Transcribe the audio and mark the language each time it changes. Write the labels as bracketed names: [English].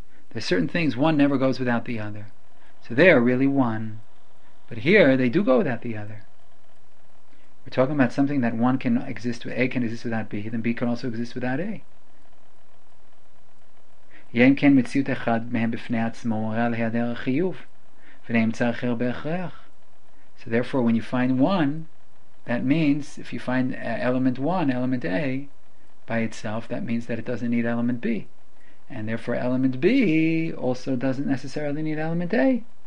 [English] There's certain things one never goes without the other, so they are really one. But here, they do go without the other. We're talking about something that one can exist with, A can exist without B, then B can also exist without A. [Hebrew] יהיה אם כן מציאות אחד מהם בפני עצמו מראה על היעדר החיוב, ונאמצא אחר בהכרח. [English] So therefore, when you find one, that means if you find element one, element A, by itself, that means that it doesn't need element B. And therefore, element B also doesn't necessarily need element A.